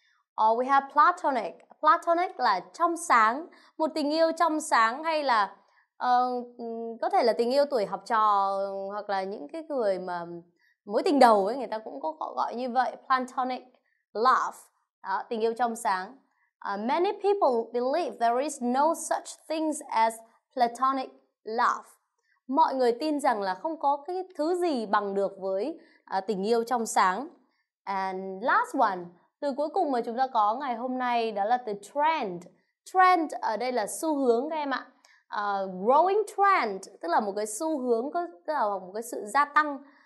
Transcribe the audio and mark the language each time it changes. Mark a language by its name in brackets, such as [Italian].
[Vietnamese] Or we have platonic. Platonic là trong sáng, một tình yêu trong sáng, hay là có thể là tình yêu tuổi học trò, hoặc là những cái người mà mối tình đầu ấy, người ta cũng có gọi như vậy, platonic love, đó, tình yêu trong sáng. [English] Many people believe there is no such things as platonic love. [Vietnamese] Mọi người tin rằng là không có cái thứ gì bằng được với tình yêu trong sáng. [English] And last one, [Vietnamese] từ cuối cùng mà chúng ta có ngày hôm nay, đó là the trend. Trend ở đây là xu hướng các em ạ. Growing trend, tức là một cái xu hướng, tức là một cái sự gia tăng.